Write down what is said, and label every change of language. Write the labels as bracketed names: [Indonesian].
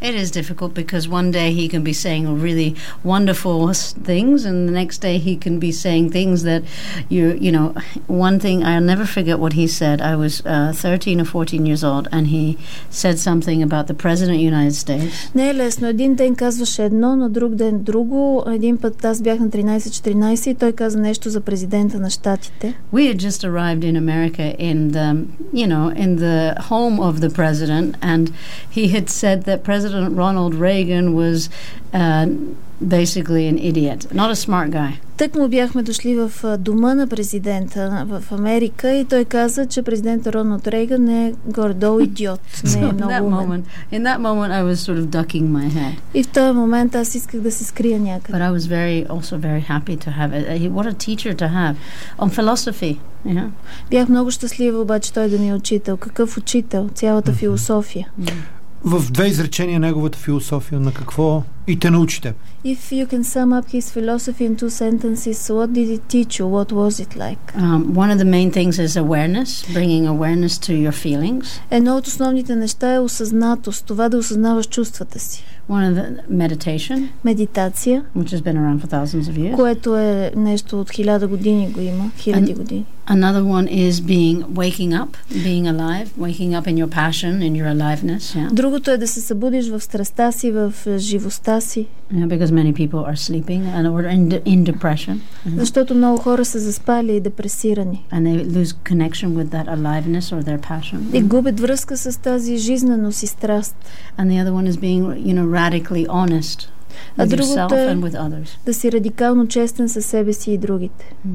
[English] It is difficult because one day he can be saying really wonderful things and the next day he can be saying things that you know, one thing I'll never forget what he said. I was 13 or 14 years old and he said something about the President of the United States. [Bulgarian] Не е лесно. Един ден казваше едно, на друг ден друго. Един път аз бях на 13-14 и той каза нещо за президента на щатите. [English] We had just arrived in America in the, you know, in the home of the president. And he had said that President Ronald Reagan was basically an idiot, not a smart guy. [Bulgarian] Тък му бяхме дошли в дома на президента в Америка и той каза, че президентът Роналд Рейган е горе-долу идиот, не е много умен. [English] In that moment I was sort of ducking my head. [Bulgarian] И в този момент аз исках да се скрия някъде. [English] But I was very, also very happy to have it. What a teacher to have on philosophy. Yeah. [Bulgarian] Бях много щастлива обаче той да ми е учител. Какъв учител? Цялата философия. В две изречения неговата философия на какво и те научи теб. [English] If you can sum up his philosophy in two sentences, what did it teach you? What was it like? One of the main things is awareness, bringing awareness to your feelings. [Bulgarian] Едно от основните неща е осъзнатост, това да осъзнаваш чувствата си. [English] One of the meditation. [Bulgarian] Медитация. [English] Which has been around for thousands of years. [Bulgarian] Което е нещо от хиляда години го има, хиляди години. [English] Another one is being waking up, being alive, waking up in your passion, in your aliveness. Yeah. [Bulgarian] Другото е да се събудиш в страстта си, в живостта си. [English] Yeah, because many people are sleeping and are in depression. Mm-hmm. [Bulgarian] Защото много хора са заспали и депресирани. [English] And they lose connection with that aliveness or their passion. [Bulgarian] И губят връзка с тази жизненост и страст. [English] And the other one is being, you know, radically honest with yourself and with others. [Bulgarian] Да си радикално честен със себе си и другите.